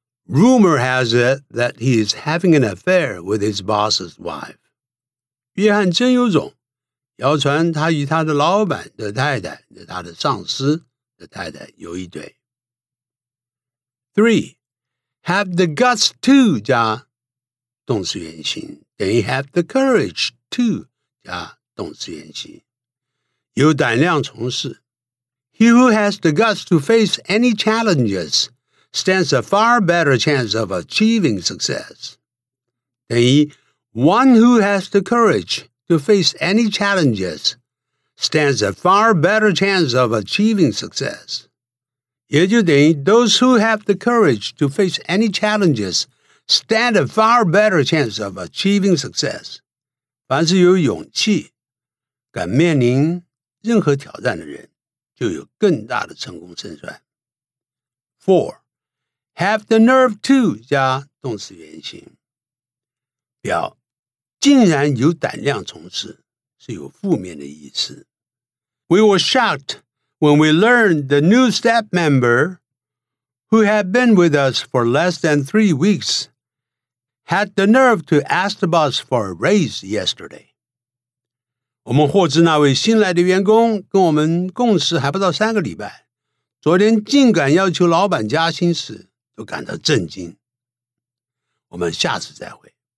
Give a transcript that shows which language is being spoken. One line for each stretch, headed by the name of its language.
English: Rumor has it that he is having an affair with his boss's wife。
Chinese: 约翰真有种，谣传他与他的老板的太太，他的上司的太太有一对。
English: Three, have the guts to
Chinese: 加动词原形，等于
English: have the courage to
Chinese: 加动词原形，有胆量从事。
English: He who has the guts to face any challenges stands a far better chance of achieving success.
Chinese: 等于
English: one who has the courage. To face any challenges stands a far better chance of achieving success.
Chinese: 也就等于
English: those who have the courage to face any challenges stand a far better chance of achieving success.
Chinese: 凡是有勇气敢面临任何挑战的人就有更大的成功胜算。
English: Four, have the nerve to
Chinese: 加动词原形。表竟然有胆量从事，是有负面的意思。
English: We were shocked when we learned the new staff member who had been with us for less than 3 weeks had the nerve to ask the boss for a raise yesterday.
Chinese: 我们获知那位新来的员工跟我们共事还不到三个礼拜，昨天竟敢要求老板加薪时，都感到震惊。我们下次再会。